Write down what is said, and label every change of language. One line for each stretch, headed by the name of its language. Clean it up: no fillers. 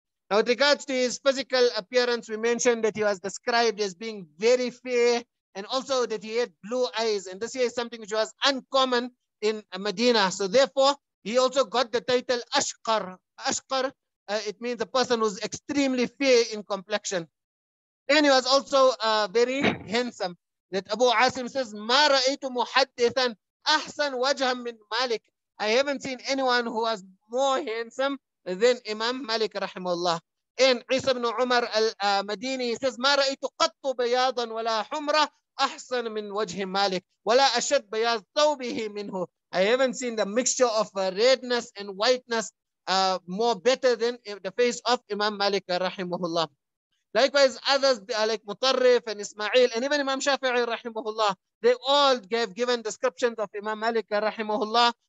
English: Now, with regards to his physical appearance, we mentioned that he was described as being very fair, and also that he had blue eyes. And this here is something which was uncommon in Medina. So therefore, he also got the title Ashqar. Ashqar, it means the person who's extremely fair in complexion. And he was also very handsome. That Abu Asim says,
Arabic: مَا رَأَيْتُ مُحَدِّثًا أَحْسَنْ وَجْهًا مِنْ مَالِكِ.
English: I haven't seen anyone who was more handsome than Imam Malik, rahimahullah. In Isa ibn Umar al-Madini, he says,
Arabic: مَا رَأَيْتُ قَطُّ بَيَاضًا وَلَا حُمْرَةً أَحْسَنُ مِنْ وَجْهِ مَالِكٍ وَلَا أَشَدْ بَيَاضْ ثَوْبِهِ مِنْهُ.
English: I haven't seen the mixture of redness and whiteness more better than the face of Imam Malik rahimahullah. Likewise, others like Mutarrif and Ismail and even Imam Shafi'i rahimahullah, they all gave given descriptions of Imam Malik rahimahullah.